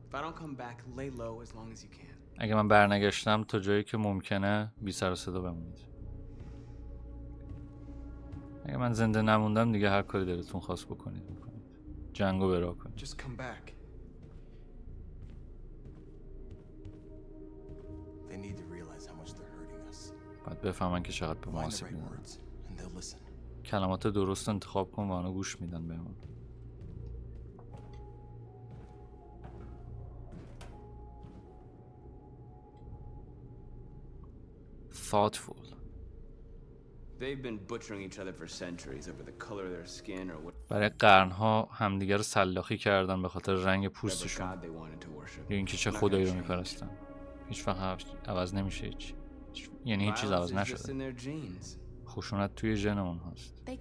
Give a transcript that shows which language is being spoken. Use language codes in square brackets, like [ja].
[en] If I don't come back, lay low as long as you can. [fa] اگه من برنگشتم تا جایی که ممکنه بی سر و صدا بمونید. اگه من زنده نموندم دیگه هر کاری دلتون خواست بکنید میکنید. جنگو برا کنید. [en] Just come back. They need to realize how much they're hurting us. [fa] باید بفهمن که چقدر به ما آسیب می‌زنن. کلمات درست انتخاب کن و آنها گوش میدن به ما. [en] Thoughtful. They've been butchering each other for centuries over the color of their skin or what. [fa] برای قرن‌ها همدیگر رو سلاخی کردن به خاطر رنگ پوستشون. اینکه چه خدایی رو می‌پرستن. هیچ فرقی عوض نمیشه هیچ. یعنی هیچ چیز عوض نشده. خشونت توی ژن اون هست.